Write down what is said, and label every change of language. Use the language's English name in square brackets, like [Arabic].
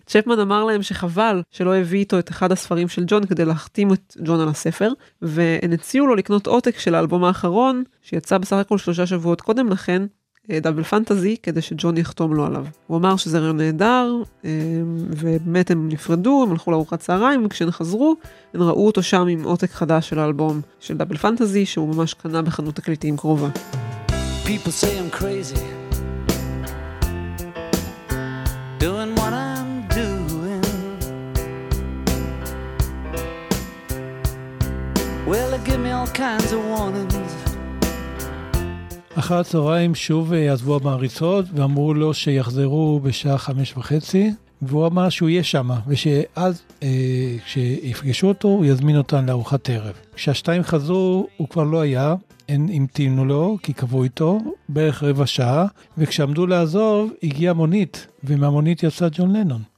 [Hebrew] צ'פמן אמר להם שחבל שלא הביא איתו את אחד הספרים של ג'ון כדי להחתים את ג'ון על הספר, והן הציעו לו לקנות עותק של האלבום האחרון, שיצא בסך הכל 3 שבועות קודם לכן, דאבל פנטזי, כדי שג'ון יחתום לו עליו. הוא אמר שזה רעיון נהדר, ובאמת הם נפרדו, הם הלכו לארוחת צהריים, וכשהן חזרו, הן ראו אותו שם עם עותק חדש של האלבום של דאבל פנטזי, שהוא ממש קנה בחנות תקליטים קרובה. [English] People say I'm crazy doing what I'm doing. Well, they give me all kinds of warnings. [Hebrew] אחר הצהריים שוב יעזבו המעריצות ואמרו לו שיחזרו בשעה 5:30, והוא אמר שהוא יהיה שם, ושאז כשיפגשו אותו הוא יזמין אותן לארוחת ערב. כשהשתיים חזרו הוא כבר לא היה, הן המתינו לו כי קבעו איתו בערך 15 דקות, וכשעמדו לעזוב הגיעה מונית, ומהמונית יצא ג'ון לנון.